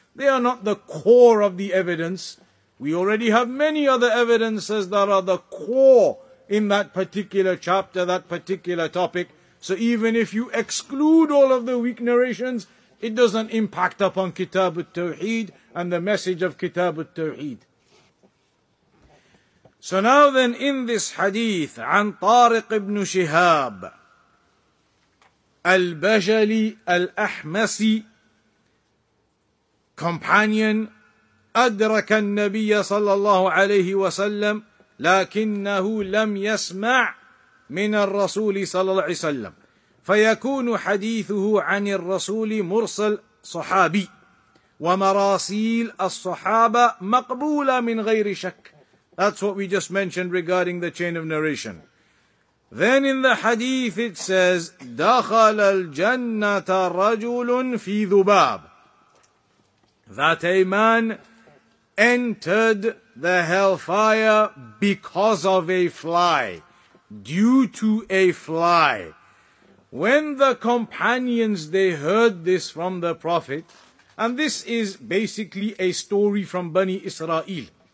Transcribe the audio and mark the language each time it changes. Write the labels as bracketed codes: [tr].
[en] They are not the core of the evidence. We already have many other evidences that are the core in that particular chapter, that particular topic. So even if you exclude all of the weak narrations, it doesn't impact upon Kitab al-Tawheed and the message of Kitab al-Tawheed. So now then, in this hadith, [ar] عن طارق ibn Shihab al-Bajali al-Ahmasi, companion, أدرك النبي صلى الله عليه وسلم لكنه لم يسمع من الرسول صلى الله عليه وسلم فيكون حديثه عن الرسول مرسل صحابي ومراسيل الصحابة مقبولة من غير شك. [en] That's what we just mentioned regarding the chain of narration. Then in the hadith it says, [ar] دخل الجنة رجل في ذباب. [en] That a man entered the hellfire because of a fly, due to a fly. When the companions, they heard this from the Prophet, and this is basically a story from Bani Israel.